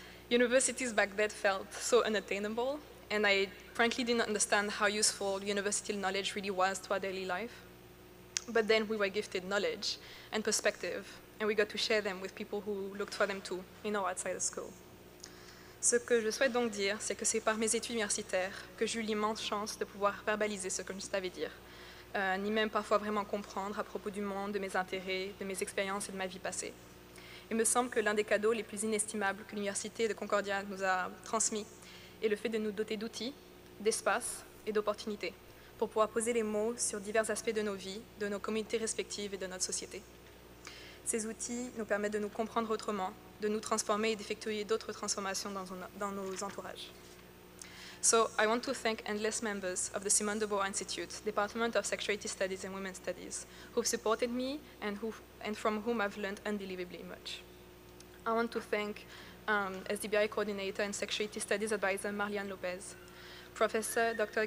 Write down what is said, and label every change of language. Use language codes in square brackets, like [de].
[en] Universities back then felt so unattainable, and I frankly didn't understand how useful university knowledge really was to our daily life. But then we were gifted knowledge and perspective, and we got to share them with people who looked for them too, in or outside of school. [fr] Ce que je souhaite donc dire, c'est que c'est par mes études universitaires que j'ai eu l'immense chance de pouvoir verbaliser ce que je savais dire, ni même parfois vraiment comprendre à propos du monde, de mes intérêts, de mes expériences et de ma vie passée. Il me semble que l'un des cadeaux les plus inestimables que l'Université de Concordia nous a transmis est le fait de nous doter d'outils, d'espace et d'opportunités pour pouvoir poser les mots sur divers aspects de nos vies, de nos communautés respectives et de notre société. Ces outils nous permettent de nous comprendre autrement, de nous transformer et d'effectuer d'autres transformations dans nos entourages. [en] So, I want to thank endless members of the Simone de Beauvoir Institute, Department of Sexuality Studies and Women's Studies, who've supported me and from whom I've learned unbelievably much. I want to thank SDBI Coordinator and Sexuality Studies Advisor Marianne Lopez, Professor Dr.